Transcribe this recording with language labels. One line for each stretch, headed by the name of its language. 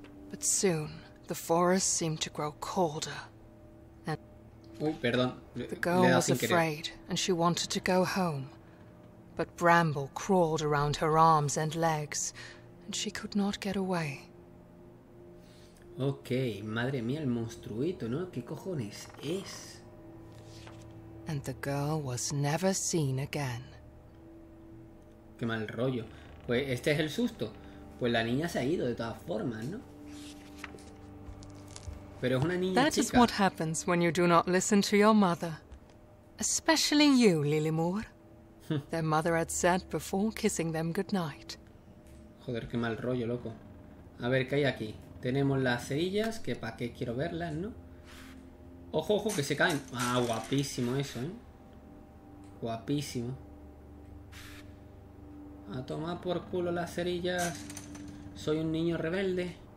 English: But soon the forest seemed to grow colder. And
Spanish: perdón,
English: the girl was afraid and she wanted to go home. But Bramble crawled around her arms and legs and she could not get away.
Spanish: Okay, madre mía, el monstruito, ¿no? ¿Qué cojones es?
English: And the girl was never seen again.
Spanish: Qué mal rollo. Pues este es el susto. Pues la niña se ha ido de todas formas, ¿no? Pero es una niña
English: That is
Spanish: chica.
English: What happens when you do not listen to your mother. Especially you, Lilimor. Their mother had said before kissing them goodnight.
Spanish: Joder, qué mal rollo, loco. A ver, ¿qué hay aquí? Tenemos las cerillas, que para qué quiero verlas, ¿no? Ojo, ojo, que se caen. Ah, guapísimo eso, ¿eh? Guapísimo. A tomar por culo las cerillas. Soy un niño rebelde.